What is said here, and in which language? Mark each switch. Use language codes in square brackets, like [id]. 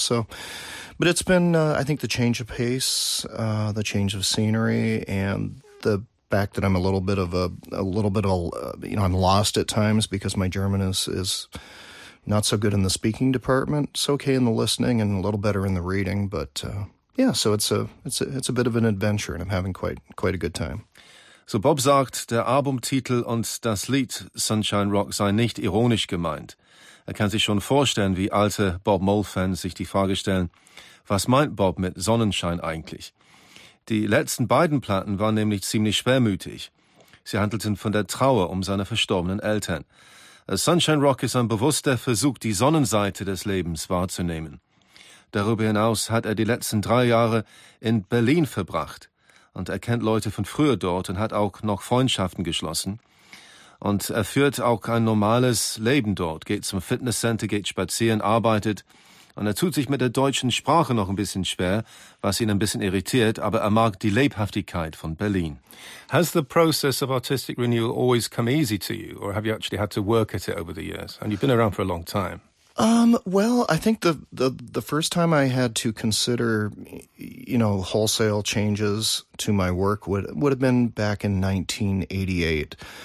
[en] So, but it's been, I think the change of pace, the change of scenery and the fact that I'm a little bit of I'm lost at times because my German is not so good in the speaking department. It's okay in the listening and a little better in the reading, but, yeah, so it's a bit of an adventure and I'm having quite a good time. [de] So Bob sagt, der Albumtitel und das Lied Sunshine Rock seien nicht ironisch gemeint. Er kann sich schon vorstellen, wie alte Bob Mould-Fans sich die Frage stellen, was meint Bob mit Sonnenschein eigentlich? Die letzten beiden Platten waren nämlich ziemlich schwermütig. Sie handelten von der Trauer um seine verstorbenen Eltern. Sunshine Rock ist ein bewusster Versuch, die Sonnenseite des Lebens wahrzunehmen. Darüber hinaus hat er die letzten 3 Jahre in Berlin verbracht. Und er kennt Leute von früher dort und hat auch noch Freundschaften geschlossen. Und er führt auch ein normales Leben dort, geht zum Fitnesscenter, geht spazieren, arbeitet. Und er tut sich mit der deutschen Sprache noch ein bisschen schwer, was ihn ein bisschen irritiert, aber er mag die Lebhaftigkeit von Berlin. [en] Has the process of artistic renewal always come easy to you? Or have you actually had to work at it over the years? And you've been around for a long time. Well, I think the first time I had to consider, you know, wholesale changes to my work would have been back in 1988.